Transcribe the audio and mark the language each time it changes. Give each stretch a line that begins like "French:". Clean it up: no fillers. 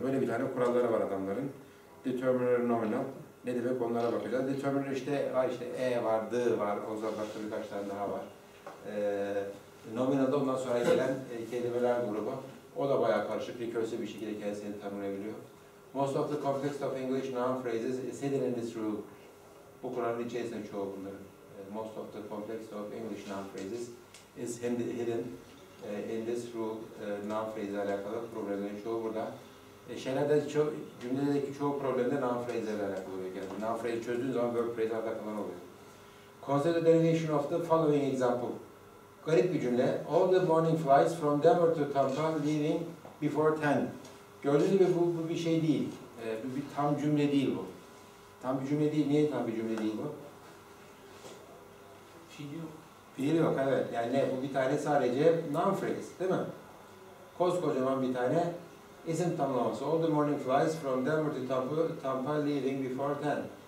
Turkish: Böyle bir tane kuralları var adamların. Determiner nominal. Ne demek onlara bakacağız. Determiner işte, E var, D var, o zaman başka birkaç tane daha var. Nominal'da ondan sonra gelen kelimeler grubu. O da bayağı karışık, rekörsü bir şekilde kendisini tanımlayabiliyor.
English: Most of the complex of English noun phrases is hidden in this rule.
Turkish: Bu kuralın içerisinde çoğu bunların.
English: Most of the complex of English noun phrases is hidden in this rule.
Turkish: Noun phrase ile alakalı problemlerin çoğu burada. Şeylerde çoğu, cümledeki çoğu problemde noun phrase ile alakalı oluyor. Yani noun phrase çözdüğün zaman verb phrase arka falan oluyor.
English: Consider the derivation of the following example.
Turkish: Garip bir cümle.
English: All the morning flights from Denver to Tampa leaving before 10.
Turkish: Gördüğünüz gibi bu bir şey değil. Bu bir tam cümle değil bu. Tam bir cümle değil. Niye tam bir cümle değil bu? Fiil yok. Fiil yok, evet. Yani ne? Bu bir tane sadece noun phrase, değil mi? Koskocaman bir tane isim tamlaması.
English: All the morning flights from Denver to Tampa leaving before 10.